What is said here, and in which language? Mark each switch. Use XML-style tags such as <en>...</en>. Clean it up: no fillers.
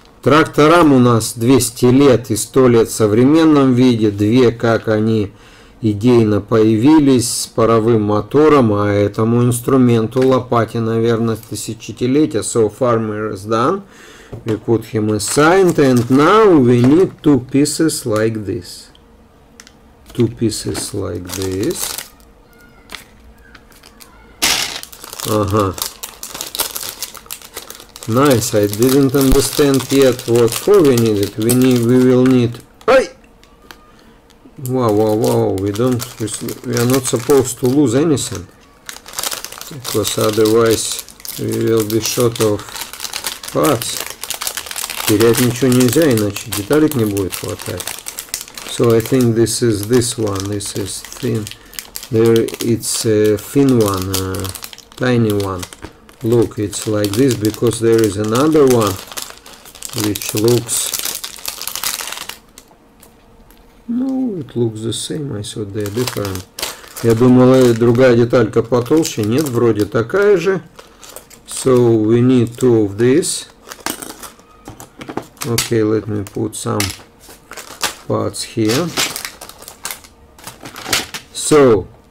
<ru>Тракторам у нас 200 лет и 100 лет в современном виде, 2 как они идейно появились с паровым мотором, а этому инструменту лопате, наверное, тысячелетия.</ru> <en>So farmer is done. We put him aside and now we need two pieces like this. Two pieces like this. Nice, I didn't understand yet what for we need it. We will need... Wow, we are not supposed to lose anything. Because otherwise we will be short of parts.</en> <ru>Терять ничего нельзя, иначе деталек не будет хватать.</ru> <en>So I think this is this one, this is thin, there it's a thin one, a tiny one. Look, it's like this because there is another one which looks, no, it looks the same, I thought they're different.</en> <ru>Я думал, другая деталька потолще, нет, вроде такая же.</ru> <en>So we need two of these. Okay, let me put some parts here. So</en>